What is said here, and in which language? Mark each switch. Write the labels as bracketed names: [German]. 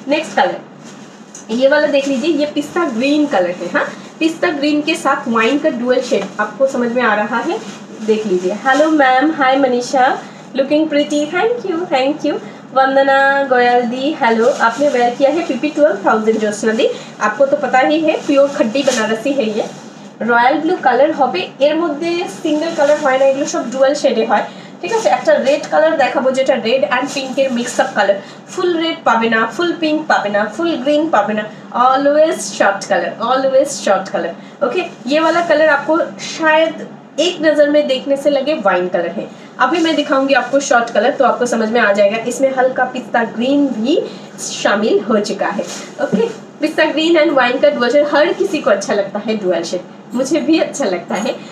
[Hindi] Next colour ये वाला देख लीजिए, ये पिस्ता ग्रीन कलर है, हाँ पिस्ता ग्रीन के साथ वाइन का डुअल शेड आपको समझ में आ रहा है, देख लीजिए। Hello ma'am, hi Manisha, looking pretty, thank you Vandana Goyal the, hello आपने वेयर किया है पीपी 12000 ज्योत्सना दी, आपको तो पता ही है प्योर खड्डी बनारसी है ये। [Bangla] रॉयल ब्लू कलर হবে, এর মধ্যে সিঙ্গেল কালার হয় না, এগুলো সব ডুয়াল শেডে হয়, ঠিক আছে। একটা রেড কালার দেখাবো যেটা রেড এন্ড পিঙ্ক এর মিক্স আপ কালার, ফুল রেড পাবে না, ফুল পিঙ্ক পাবে না, ফুল গ্রিন পাবে না, always short colour, always short colour. [Hindi] ওকে ইয়ে वाला কালার আপকো শায়েদ एक नजर में देखने से लगे वाइन कलर है, अभी मैं दिखाऊंगी आपको शॉर्ट कलर तो आपको समझ में आ जाएगा, इसमें हल्का पिस्ता ग्रीन भी शामिल हो चुका है। ओके पिस्ता ग्रीन एंड वाइन का डुअल शेड हर किसी को अच्छा लगता है, डुअल शेड मुझे भी अच्छा लगता है।